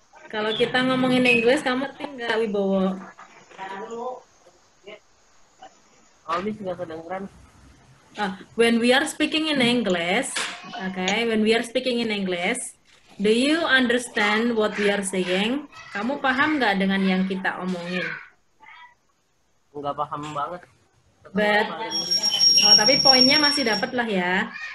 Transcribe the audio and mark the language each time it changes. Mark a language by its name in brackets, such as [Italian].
[Indonesian] Kalau kita ngomongin Inggris, kamu tinggal, Wibowo. Almis nggak kedengeran. [English] When we are speaking in English, okay, when we are speaking in English, do you understand what we are saying? [Indonesian] Kamu paham nggak dengan yang kita omongin? Nggak paham banget. [English] But, oh, [Indonesian] tapi poinnya masih dapat lah ya.